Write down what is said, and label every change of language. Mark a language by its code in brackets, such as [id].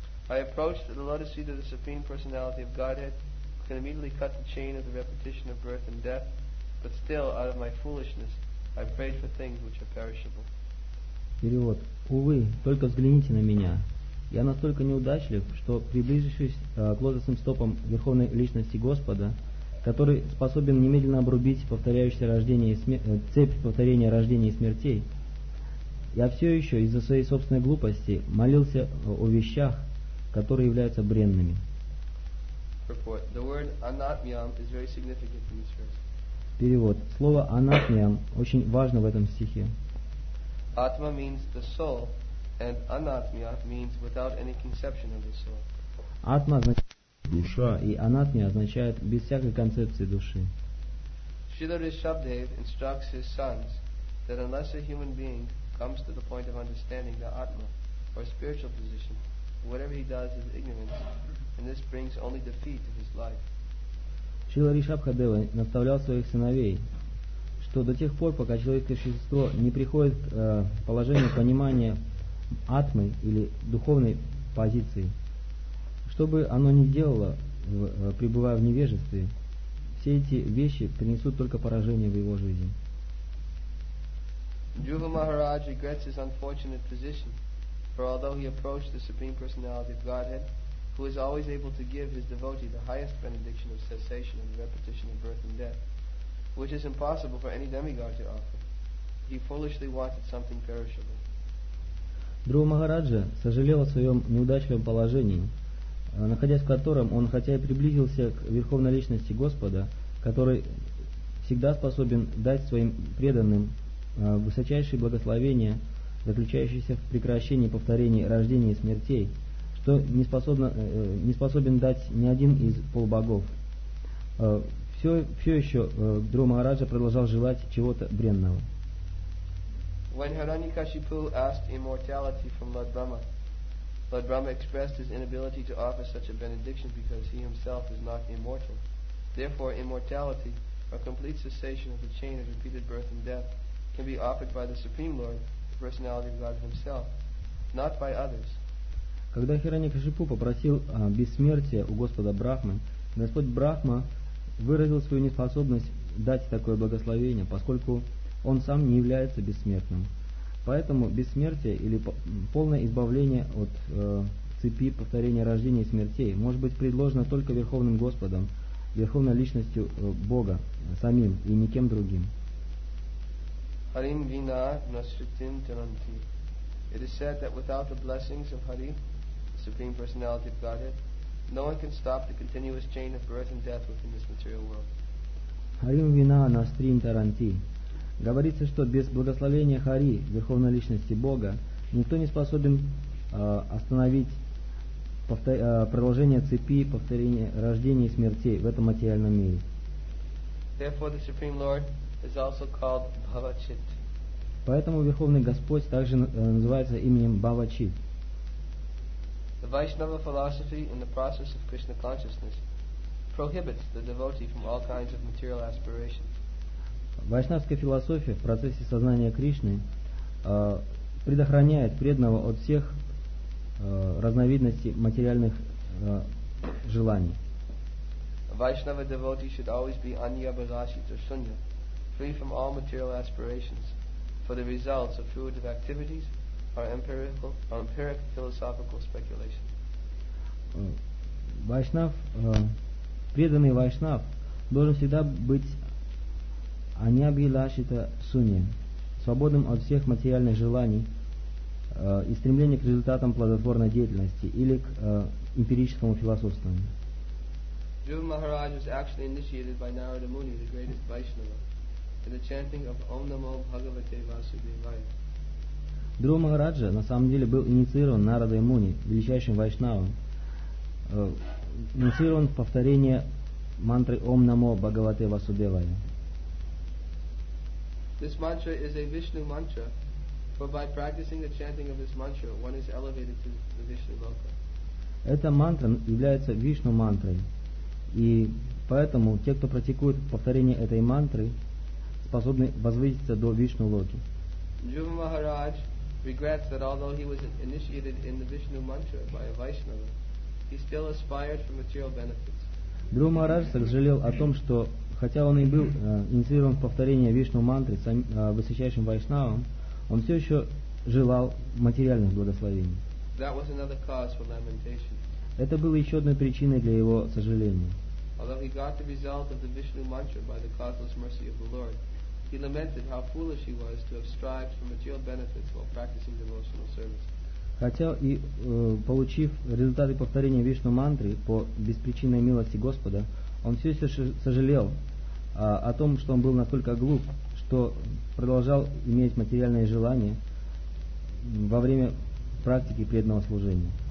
[en] I approach the lotus seat of the Supreme Personality of Godhead, can immediately cut the chain of the repetition of birth and death, but still, out of my foolishness, I prayed for things which are perishable. [ru] Перевод. Увы, только взгляните на меня. Я настолько неудачлив, что, приближившись к лотосным стопам Верховной Личности Господа, который способен немедленно обрубить повторяющееся рождение и цепь повторения рождения и смертей, я все еще из-за своей собственной глупости молился о вещах, которые являются бренными. [en] The word anatmyam is very significant in this verse. [ru] Перевод. Слово анатмиям очень важно в этом стихе. [en] Atma means the soul, and anatmya means without any conception of the soul. [ru] Atma означает душа, и anatmya означает без всякой концепции души. [en] Srila Rishabhdev instructs his sons that unless a human being comes to the point of understanding the Atma or spiritual position, whatever he does is ignorance, and this brings only defeat to his life. [ru] Srila Rishabhdev наставлял своих сыновей, что до тех пор, пока человеческое существо не приходит к положению понимания атмы или духовной позиции, что бы оно ни делало, пребывая в невежестве, все эти вещи принесут только поражение в его жизни. [en] Dhruva Maharaj regrets his unfortunate position, for although he approached the Supreme Personality of Godhead, who is always able to give his devotee the highest benediction of cessation and the repetition of birth and death, which is impossible for any demigod to offer. He foolishly wanted something perishable. [ru] Dhruva Maharaja сожалел о своем неудачливом положении, находясь в котором он хотя и приблизился к Верховной Личности Господа, который всегда способен дать своим преданным высочайшие благословения, заключающиеся в прекращении повторений рождения и смертей, что не способен дать ни один из полубогов. Все еще Дру Махараджа продолжал желать чего-то бренного. [en] When Hiranyakashipu asked immortality from Lord Brahma expressed his inability to offer such a benediction because he himself is not immortal. Therefore, immortality, a complete cessation of the chain of repeated birth and death, can be offered by the Supreme Lord, the Personality of God Himself, not by others. [ru] Когда Хираньякашипу попросил бессмертия у Господа Брахмы, Господь Брахма выразил свою неспособность дать такое благословение, поскольку он сам не является бессмертным. Поэтому бессмертие или полное избавление от цепи повторения рождения и смертей может быть предложено только Верховным Господом, Верховной Личностью Бога, самим и никем другим. [sa] Harim vina nasritim tananti. [en] It is said that without the blessings of Hari, the Supreme Personality of Godhead, no one can stop the continuous chain of birth and death within this material world. [sa] Harim vina nasritim tananti. [ru] Говорится, что без благословения Хари, Верховной Личности Бога, никто не способен остановить продолжение цепи повторения рождения и смерти в этом материальном мире. [en] Therefore, the Supreme Lord is also called Bhavachit. [ru] Поэтому Верховный Господь также называется именем Бхавачит. [en] The Vaishnava philosophy in the process of Krishna consciousness prohibits the devotee from all kinds of material aspirations. [ru] Вайшнавская философия в процессе сознания Кришны предохраняет преданного от всех разновидностей материальных желаний. [en] Vaishnava devotee should always be anyabhirashita shunya, free from all material aspirations, for the results of fruitive activities are empirical, or empiric philosophical speculation. [ru] Vaishnav, преданный Vaishnav, должен всегда быть анябхилашита шунья, свободным от всех материальных желаний и стремления к результатам плодотворной деятельности или к эмпирическому философствованию. [en] Dhruva Maharaj was actually initiated by Narada Muni, the greatest Vaishnava, in the chanting of Om Namo Bhagavate Vasudevaya. [ru] Dhruva Maharaj на самом деле был инициирован Нарадой Муни, величайшим Вайшнавом, инициирован в повторение мантры Om Namo Bhagavate Vasudevaya. [en] This mantra is a Vishnu mantra, for by practicing the chanting of this mantra, one is elevated to the Vishnu Loka. [ru] Эта мантра является Вишну мантрой. И поэтому те, кто практикует повторение этой мантры, способны возвыситься до Вишну Локи. [en] Dhruva Maharaj regrets that although he was initiated in the Vishnu mantra by a Vaishnava, he still aspired for material benefits. [ru] Dhruva Maharaj сожалел о том, что хотя он и был инициирован в повторение Вишну мантры с высочайшим Вайшнавом, он все еще желал материальных благословений. [en] That was another cause for lamentation. [ru] Это было еще одной причиной для его сожаления. [en] Although he got the result of the Vishnu mantra by the causeless mercy of the Lord, he lamented how foolish he was to have strived for material benefits while practicing devotional service. [ru] Хотя и получив результаты повторения Вишну мантры по беспричинной милости Господа, он все еще сожалел о том, что он был настолько глуп, что продолжал иметь материальные желания во время практики преданного служения.